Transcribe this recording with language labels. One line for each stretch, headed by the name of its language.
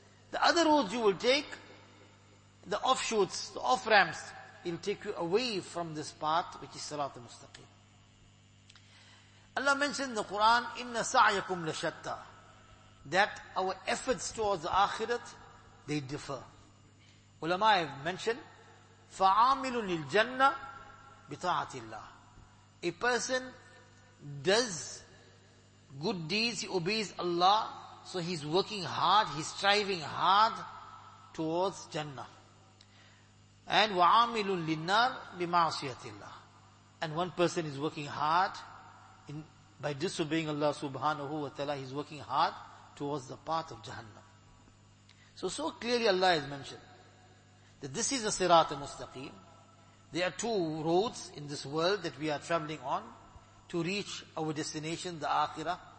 English: The other roads you will take, the offshoots, the off-ramps, it will take you away from this path, which is sirat al-mustaqim. Allah mentioned in the Quran,
Arabic: إِنَّ سَعْيَكُمْ لَشَتَّى.
English: That our efforts towards the akhirat, they differ. Ulama have mentioned,
Arabic: فَعَامِلٌ لِلْجَنَّةِ بِطَاعَةِ اللَّهِ.
English: A person does good deeds, he obeys Allah, so he's working hard, he's striving hard towards Jannah.
Arabic: And وَعَامِلٌ لِلْنَّارِ بِمَعْصِيَةِ اللَّهِ.
English: And one person is working hard by disobeying Allah subhanahu wa ta'ala, he's working hard towards the path of Jahannam. So clearly Allah has mentioned that this is a sirat al-mustaqim. There are two roads in this world that we are traveling on to reach our destination, the akhirah.